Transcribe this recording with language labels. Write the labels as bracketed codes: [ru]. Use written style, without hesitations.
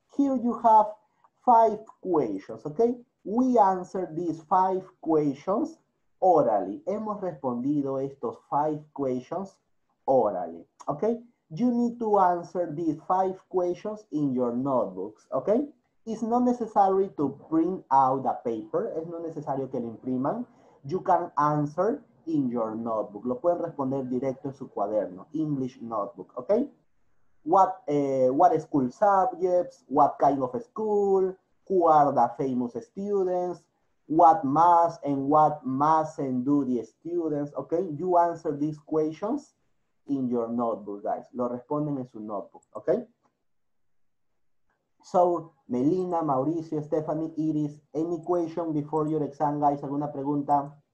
[en] Here you have five questions, okay? We answer these five questions orally. [es] Hemos respondido estos [en] five questions orally, okay? You need to answer these five questions in your notebooks, okay? It's not necessary to print out a paper. [es] Es no necesario que lo impriman. [en] You can answer in your notebook. [es] Lo pueden responder directo en su cuaderno, [en] English notebook, [es] okay? [en] What school subjects, what kind of school, who are the famous students, what must and what mustn't do the students, okay? You answer these questions in your notebook, guys. [es] Lo responden en su notebook, [en] okay? So, Melina, Mauricio, Stephanie, Iris, any question before your exam, guys? [es] ¿Alguna pregunta?